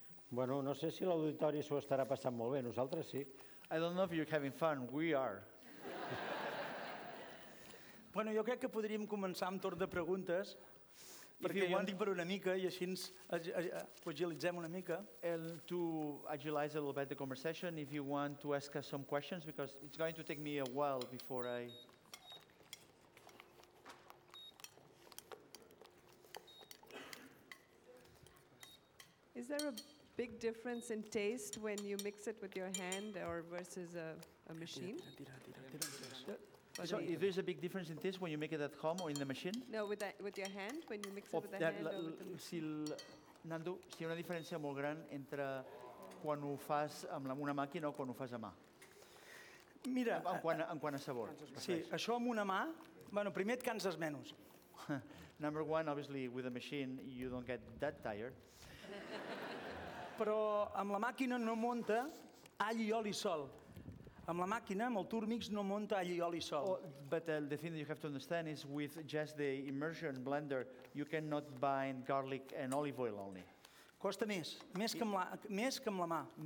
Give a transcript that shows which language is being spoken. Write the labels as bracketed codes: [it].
[ca] Bueno, no sé si l'auditori s'ho estarà passant molt bé. Nosaltres sí. [en] I don't know if you're having fun. We are. [ca] Bueno, jo crec que podríem començar amb torn de preguntes, perquè ho entenc per una mica i així ho agilitzem una mica. [en] To agilize a little bit the conversation, if you want to ask us some questions, because it's going to take me a while before I... Is there a big difference in taste when you mix it with your hand or versus a machine? So if there's a big difference in taste when you make it at home or in the machine? No, with your hand, when you mix it with the hand. [ca] Si Nando, si hi ha una diferència molt gran entre quan ho fas amb una màquina o quan ho fas a mà. Mira, en quant a sabor. Sí, això amb una mà, bueno, primer et canses menys. [en] Number one, obviously, with the machine, you don't get that tired. [ca] Però amb la màquina no munta all i oli sol. Amb la màquina, amb el Turmix, no munta all i oli sol. Oh, [en] but the thing that you have to understand is with just the immersion blender, you cannot bind garlic and olive oil only. [ca] Costa més, més que amb la mà.